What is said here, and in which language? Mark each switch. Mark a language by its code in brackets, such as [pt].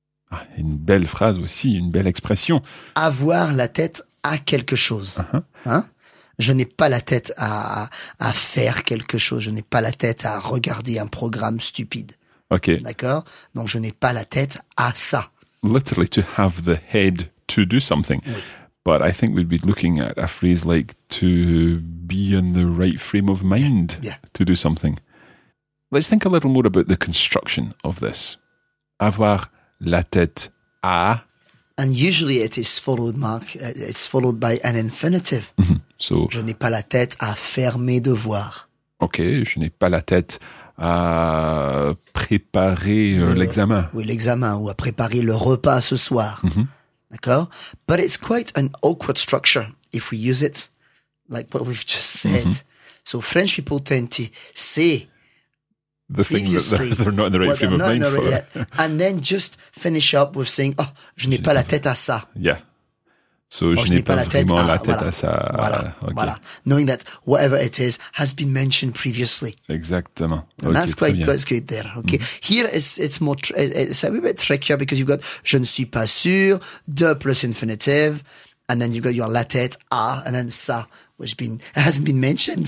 [fr] Ah, une belle phrase aussi, une belle expression. Avoir la tête à quelque chose. Uh-huh. Hein? Je n'ai pas la tête à faire quelque chose. Je n'ai pas la tête à regarder un programme stupide. Ok. D'accord? Donc, je n'ai pas la tête à ça. [en] Literally, to have the head to do something. But I think we'd be looking at a phrase like to be in the right frame of mind to do something. Let's think a little more about the construction of this. [fr] Avoir la tête à. [en] And usually it is followed, Mark. It's followed by an infinitive. Mm-hmm. So, [fr] je n'ai pas la tête à faire mes devoirs. Ok, je n'ai pas la tête à préparer l'examen. Oui, l'examen, ou à préparer le repas ce soir. Mm-hmm. D'accord? [en] But it's quite an awkward structure if we use it, like what we've just said. Mm-hmm. So French people tend to say the thing that they're not in the right frame of mind for. Yet, and then just finish up with saying, oh, [fr] je n'ai pas la tête à ça. [en] Yeah. [fr] So, oh, je n'ai pas la tête, la tête à ça. Voilà, okay. Voilà. [en] Knowing that whatever it is has been mentioned previously. [fr] Exactement. [en] And okay, that's quite good there. Okay. Mm-hmm. Here it's a bit trickier because you've got [fr] je ne suis pas sûr, de [en] plus infinitive, and then you've got your la tête à, and then ça, which hasn't been mentioned.